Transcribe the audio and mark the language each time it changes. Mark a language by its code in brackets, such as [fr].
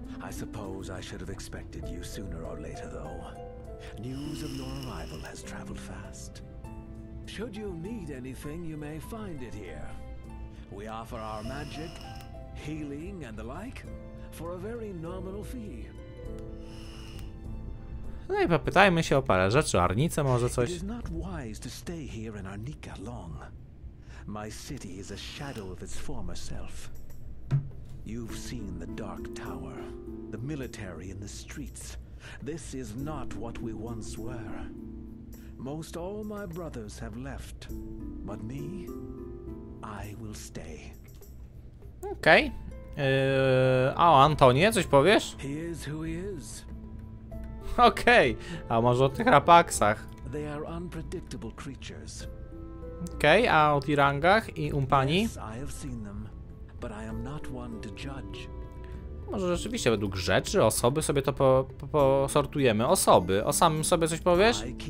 [en] I suppose I should have expected you sooner or later though. News of your arrival has traveled fast. Should you need anything, you may find it here. We offer our magic, healing and the like, for a very nominal fee. [pl] No i popytajmy się o parę rzeczy, Arnice może coś. [en] It is not wise to stay here in Arnica long. My city is a shadow of its former self. You've seen the Dark Tower, the military in the streets. This is not what we once were. Most all my brothers have left, but me, I will stay. [pl] Okej. A o Antonie coś powiesz? [en] He is who he is. [pl] Okej. A może o tych rapaksach? [en] They are unpredictable creatures. [pl] Okej, a o tirangach i umpani? [en] Yes, I have seen them, but I am not one to judge. [pl] Może rzeczywiście według rzeczy, osoby sobie to posortujemy. Osoby, o samym sobie coś powiesz?